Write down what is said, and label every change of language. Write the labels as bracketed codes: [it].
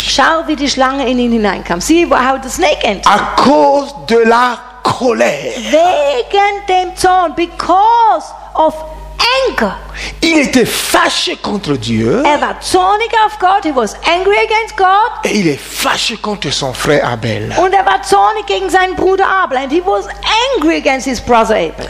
[de] Schau, wie die Schlange in ihn hineinkam. [en] See how the snake entered. [fr] À cause de la colère. [de] Wegen dem Zorn, [en] because of anger. [fr] Il était fâché contre Dieu. [de] Er war zornig auf Gott. [en] He was angry against God. [fr] Et il est fâché contre son frère Abel. [de] Und er war zornig gegen seinen Bruder Abel. [en] And he was angry against his brother Abel.